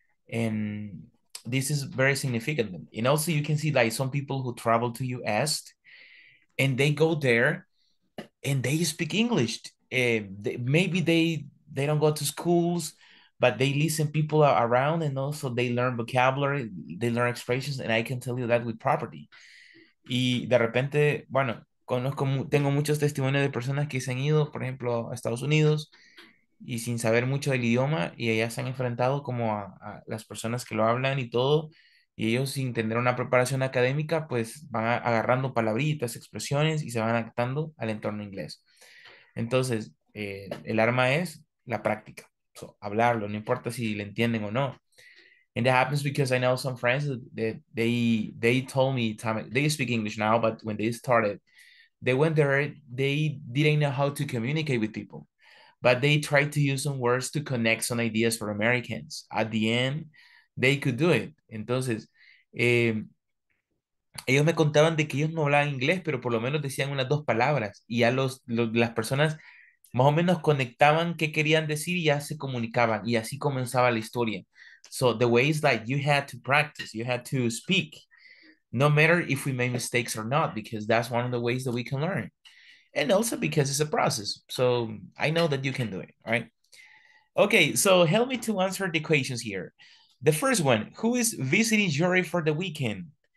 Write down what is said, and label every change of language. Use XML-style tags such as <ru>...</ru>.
<en>And this is very significant. And also you can see like some people who travel to US and they go there and they speak English. Maybe they don't go to schools, but they listen people around and also they learn vocabulary, they learn expressions, and I can tell you that with property.</en> <es>Y de repente, bueno, conozco, tengo muchos testimonios de personas que se han ido, por ejemplo, a Estados Unidos, y sin saber mucho del idioma, y allá se han enfrentado como a las personas que lo hablan y todo, y ellos sin tener una preparación académica, pues van agarrando palabritas, expresiones, y se van adaptando al entorno inglés. Entonces, el arma es la práctica. So, hablarlo, no importa si le entienden o no.</es> <en>And that happens because I know some friends that they told me, they speak English now, but when they started, they went there, they didn't know how to communicate with people. But they tried to use some words to connect some ideas for Americans. At the end, they could do it.</en> <es>Entonces, ellos me contaban de que ellos no hablaban inglés, pero por lo menos decían unas dos palabras. Y ya las personas más o menos conectaban qué querían decir y ya se comunicaban. Y así comenzaba la historia.</es> <en>So the way is that you had to practice. You had to speak. No matter if we made mistakes or not, because that's one of the ways that we can learn. And also because it's a process. So I know that you can do it, right? Okay, so help me to answer the questions here. The first one, who is visiting Jory for the weekend?</en>